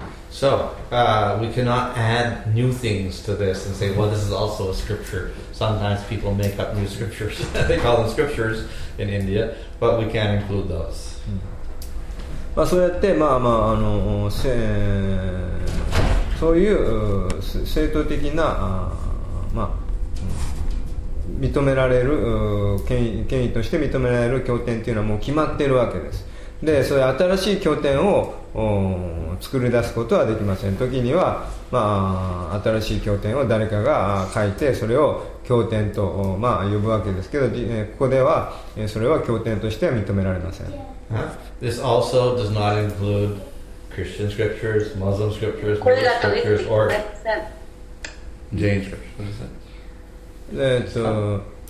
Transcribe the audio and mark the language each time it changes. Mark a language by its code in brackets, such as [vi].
[en] So, we cannot add new things to this and say, well, this is also a scripture. Sometimes people make up new scriptures. They call them scriptures in India, but we can't include those. [ja] まあ、そうやって、まあまあ、あのそういう正当的な、まあ、認められる権威として認められる経典というのはもう決まっているわけです。でそういう新しい経典を作り出すことはできません。時には、まあ、新しい経典を誰かが書いてそれを経典と、まあ、呼ぶわけですけど、ここではそれは経典としては認められません。 [en] This also does not include Christian scriptures, Muslim scriptures, Buddhist scriptures, or Jain scriptures.